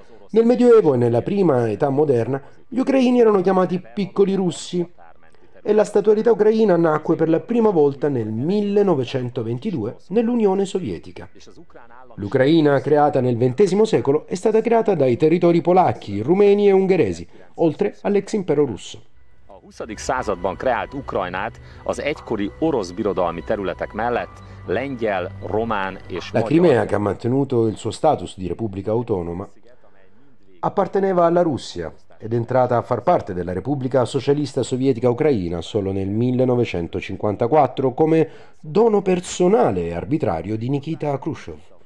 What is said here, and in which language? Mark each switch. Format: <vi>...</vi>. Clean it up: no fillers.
<it>Nel Medioevo e nella prima età moderna, gli ucraini erano chiamati piccoli russi e la statualità ucraina nacque per la prima volta nel 1922 nell'Unione Sovietica. L'Ucraina, creata nel XX secolo, è stata creata dai territori polacchi, rumeni e ungheresi, oltre all'ex impero russo.</it> <hu>században kreált Ukrajnát az egykori orosz birodalmi területek mellett lengyel, román és</hu> <it>La Crimea, che ha mantenuto il suo status di repubblica autonoma, apparteneva alla Russia ed è entrata a far parte della Repubblica Socialista Sovietica Ucraina solo nel 1954 come dono personale e arbitrario di Nikita Khrushchev.</it>